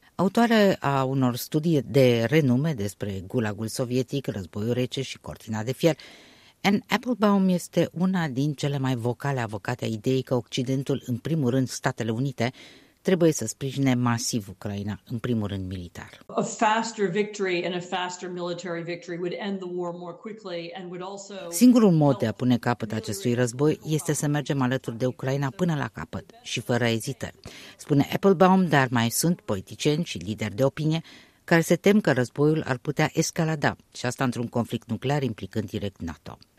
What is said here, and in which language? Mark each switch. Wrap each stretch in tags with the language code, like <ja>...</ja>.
<ro>Autoare a unor studii de renume despre gulagul sovietic, războiul rece și cortina de fier, Anne Applebaum este una din cele mai vocale avocate a ideii că Occidentul, în primul rând Statele Unite, trebuie să sprijine masiv Ucraina, în primul rând militar.</ro> <en>A faster victory and a faster military victory would end the war more quickly and would also.</en> <ro>Singurul mod de a pune capăt acestui război este să mergem alături de Ucraina până la capăt și fără ezitări, spune Applebaum, dar mai sunt politicieni și lideri de opinie care se tem că războiul ar putea escalada, și asta într-un conflict nuclear implicând direct NATO.</ro>